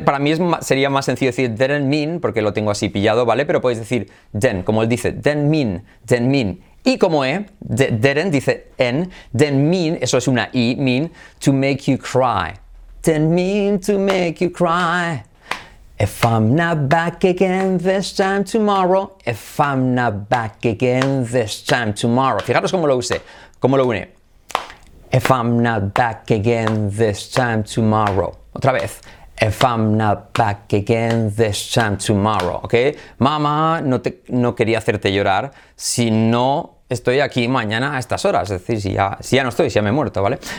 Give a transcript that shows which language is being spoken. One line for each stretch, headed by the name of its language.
Spanish: Para mí sería más sencillo decir
English: didn't mean,
Spanish: porque lo tengo así pillado, ¿vale? Pero podéis decir didn't, como él dice,
English: didn't mean, didn't mean.
Spanish: Y como e, didn't, dice en, didn't mean, eso es una i,
English: mean, to make you cry. Didn't mean to make you cry. If I'm not back again this time tomorrow. If I'm not back again this time tomorrow.
Spanish: Fijaros cómo lo use, cómo lo une.
English: If I'm not back again this time tomorrow.
Spanish: Otra vez.
English: If I'm not back again this time tomorrow. ¿Ok?
Spanish: Mamá, no quería hacerte llorar si no estoy aquí mañana a estas horas. Es decir, si ya no estoy, si ya me he muerto, ¿vale?